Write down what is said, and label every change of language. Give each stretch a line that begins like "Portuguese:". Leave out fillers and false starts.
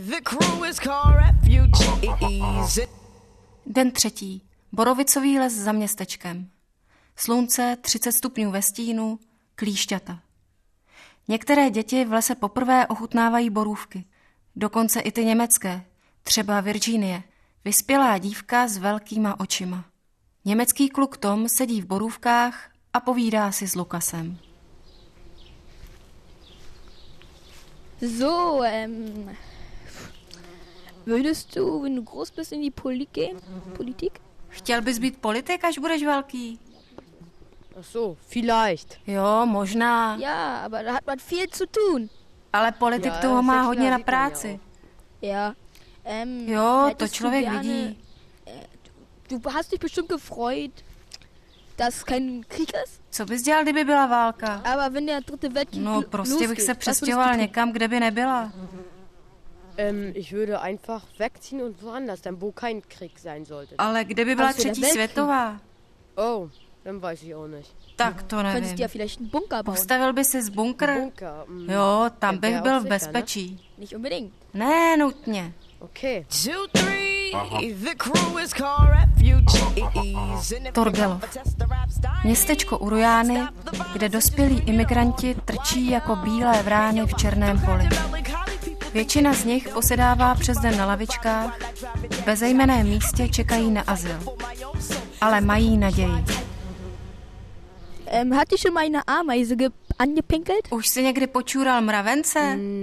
English: The crew is called Refugees.
Czech: Den 3. Borovicový les za městečkem. Slunce, 30 stupňů ve stínu, klíšťata. Některé děti v lese poprvé ochutnávají borůvky. Dokonce i ty německé, třeba Virginie. Vyspělá dívka s velkýma očima. Německý kluk Tom sedí v borůvkách a povídá si s Lukasem.
German: So, würdest du, wenn du groß bist, in die Politik?
Czech: Chtěl bys být politik, až budeš velký?
German: Ach so, vielleicht.
Czech: Jo, možná.
German: Ja, aber da hat man viel zu tun.
Czech: Ale politik ja, toho má hodně na práci.
German: Ja.
Czech: Jo, to člověk gerne, vidí.
German: Du hast dich bestimmt gefreut, dass kein Krieg ist?
Czech: Co bys dělal, kdyby byla válka?
German: Aber wenn der dritte Weltkrieg
Czech: no, prostě bych se přestěhoval někam, kde by nebyla.
German: Ich würde einfach wegziehen und woanders, dann wo kein Krieg sein sollte.
Czech: Ale kde by byla třetí světová?
German: Oh, dann weiß ich auch nicht.
Czech: Tak to nevím.
German: Könntest du ja vielleicht einen Bunker bauen?
Czech: Postavil bys si bunkr?
German: Bunker.
Czech: Jo, tam bych byl v bezpečí.
German: Nicht unbedingt.
Czech: Ne, nutně. Okay.
English: 2, 3, the crew is called Refugees.
Czech: Torgelov. Městečko u Rujány, kde dospělí imigranti trčí jako bílé vrány v černém poli. Většina z nich posedává přes den na lavičkách, v bezejmenném místě čekají na azyl. Ale mají naději.
German: Hat dich schon mal eine Ameise angepinkelt?
Czech: Už jsi někdy počúral mravence?